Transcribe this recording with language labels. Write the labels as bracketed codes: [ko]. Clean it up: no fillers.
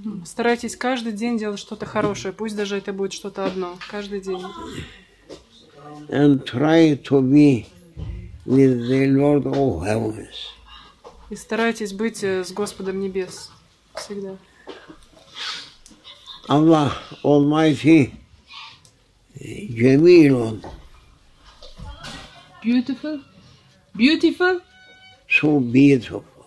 [ru] Старайтесь каждый день делать что-то хорошее, пусть даже это будет что-то одно, каждый день. [en] And try to be with the Lord of Heavens. [ru] И старайтесь быть с Господом Небес всегда. [en] Allah Almighty, جميل. Beautiful, beautiful. So beautiful.